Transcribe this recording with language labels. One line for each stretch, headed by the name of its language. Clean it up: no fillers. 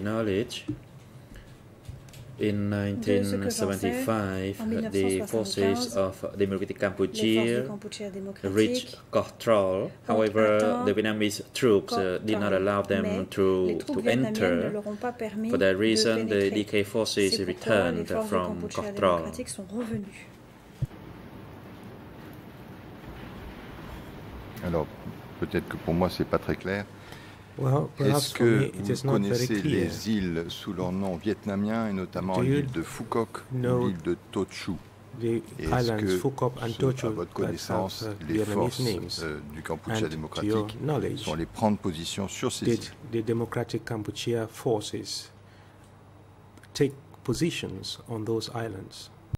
English: knowledge, in 1975, the forces of Democratic Cambodia reached Koh Trol. However, the Vietnamese troops did not allow them to enter. For that reason, the DK forces returned from Koh Trol.
French: Peut-être que pour moi, ce n'est pas très clair.
English: Well,
French: est-ce que vous connaissez les îles sous leur nom vietnamien, et notamment l'île de Phu Quoc, l'île de Tho Chu? Est-ce que,
English: and
French: à votre connaissance, les forces du Kampuchea
English: and
French: démocratique sont allées prendre position sur ces îles?
English: The Democratic Kampuchea forces take positions on those islands?